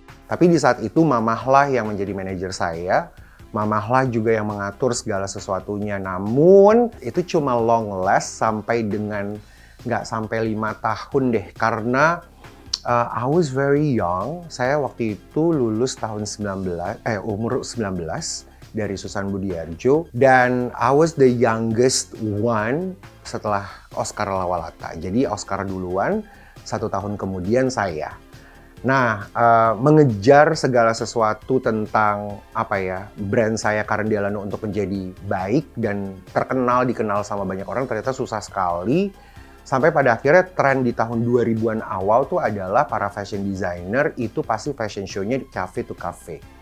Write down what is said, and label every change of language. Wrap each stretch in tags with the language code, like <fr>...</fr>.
<id>Tapi di saat itu mamahlah yang menjadi manajer saya. Mamahlah juga yang mengatur segala sesuatunya. Namun itu cuma</id> <en>long last</en> <id>sampai dengan nggak sampai 5 tahun deh. Karena</id> <en>I was very young.</en> <id>Saya waktu itu lulus umur 19 dari Susan Budiarjo. Dan</id> <en>I was the youngest one</en> <id>setelah Oscar Lawalata. Jadi Oscar duluan, 1 tahun kemudian saya. Nah, mengejar segala sesuatu tentang apa ya brand saya Karen Delano untuk menjadi baik dan terkenal, dikenal sama banyak orang ternyata susah sekali. Sampai pada akhirnya tren di tahun 2000-an awal tuh adalah para fashion designer itu pasti fashion show-nya cafe to cafe.</id>